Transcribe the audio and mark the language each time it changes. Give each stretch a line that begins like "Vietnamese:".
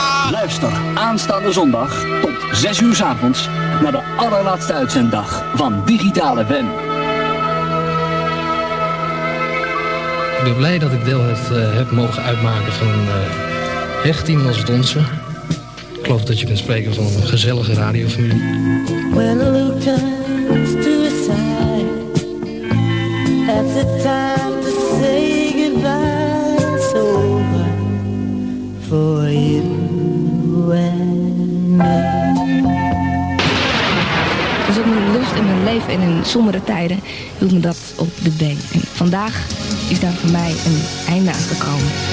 Dutch: Luister aanstaande zondag tot 6 uur 's avonds naar de allerlaatste uitzenddag van Digitale Wem. Ik ben blij dat ik deel heb mogen uitmaken van echt team als Donsen. Ik geloof dat je kunt spreken van een gezellige radiofamilie.
English: When a look turns to a sigh, at the time to say goodbye, it's over for you and me.
Dutch: Er zat mijn lust in mijn leven en in sombere tijden hield me dat op de been. En vandaag is daar voor mij een einde aan gekomen.